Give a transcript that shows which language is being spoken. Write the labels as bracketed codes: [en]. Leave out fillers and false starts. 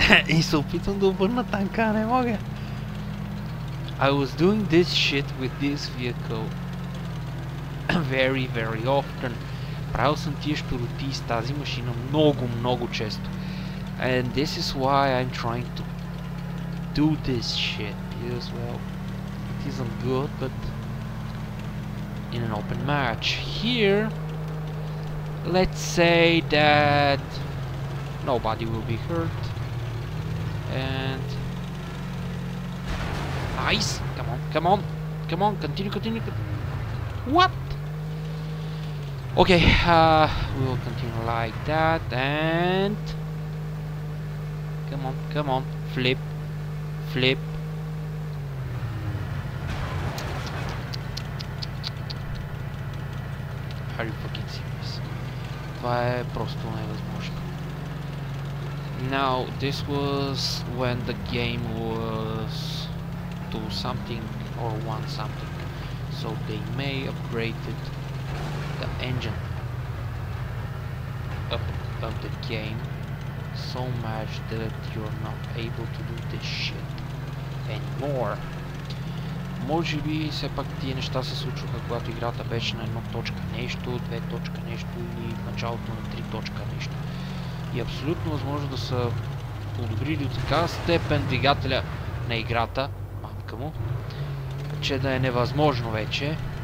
[bg] И се опитвам да обърна танка, не мога! [en] I was doing this shit with this vehicle very, very often. [bg] Правил съм тия щуроти с тази машина много, много често. [en] And this is why I'm trying to do this shit. Because, well, it isn't good, but in an open match. Here, let's say that nobody will be hurt. And... Nice! Come on! Continue! What? Okay, we will continue like that, and... Come on! Flip! Are you fucking serious? [bg] Това е просто невъзможно. [en] Now, this was when the game was 2-something or 1-something. So they may upgraded the engine of the game so much that you're not able to do this shit anymore. [bg] Може би все пак тия неща се случваха, когато играта беше на 1.нещо, 2.нещо или началото на 3.нещо. И абсолютно възможно да са подобрили от така степен двигателя на играта, мамка му, че да е невъзможно вече.